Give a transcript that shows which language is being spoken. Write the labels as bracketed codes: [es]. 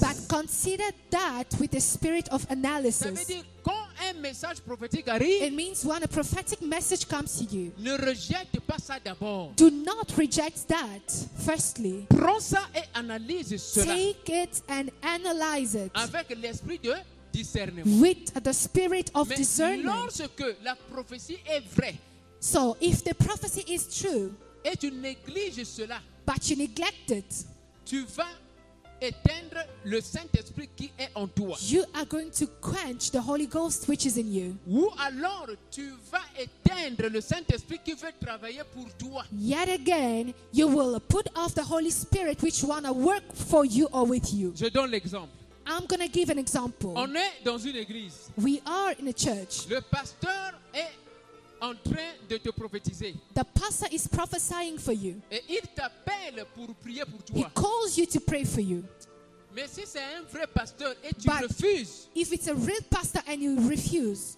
[en] But consider that with a spirit of analysis. [fr] Ça veut dire quand un message prophétique arrive, [en] it means when a prophetic message comes to you, [fr] ne rejette pas ça d'abord. [en] Do not reject that firstly. [fr] Prends ça et analyse cela. [en] Take it and analyze it. [fr] Avec l'esprit de [en] with the spirit of [fr] mais [en] discernment. [fr] Lorsque la prophétie est vraie, [en] so if the prophecy is true, [fr] et tu négliges cela, [en] but you neglect it, [fr] tu vas éteindre le Saint-Esprit qui est en toi. [en] You are going to quench the Holy Ghost which is in you. [fr] Ou alors tu vas éteindre le Saint-Esprit qui veut travailler pour toi. [en] Yet again, you will put off the Holy Spirit which want to work for you or with you. [fr] Je donne l'exemple. [en] I'm going to give an example. [fr] On est dans une église. [en] We are in a church. [fr] Le pasteur est en train de te prophétiser. [en] The pastor is prophesying for you. [fr] Et il t'appelle pour prier pour toi. [en] He calls you to pray for you. [fr] Mais si c'est un vrai pasteur et tu refuses. [en] If it's a real pastor and you refuse.